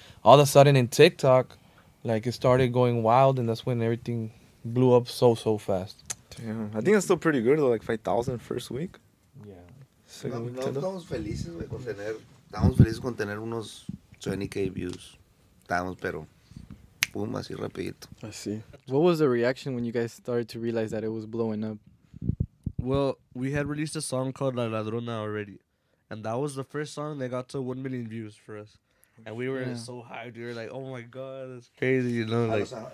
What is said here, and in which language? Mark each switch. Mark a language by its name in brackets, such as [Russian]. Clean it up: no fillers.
[English] All of a sudden in TikTok, like it started going wild and that's when everything blew up so fast. Damn, I think it's still pretty good though, like 5,000 first week. [Spanish] No estamos felices con tener unos 20k views. Estamos, pero boom, así rapidito. Así. [English] What was the reaction when you guys started to realize that it was blowing up? Well, we had released a song called La Ladrona already. And that was the first song that got to 1 million views for us. And we were so hyped. We were like, oh my God, that's crazy. You know, like.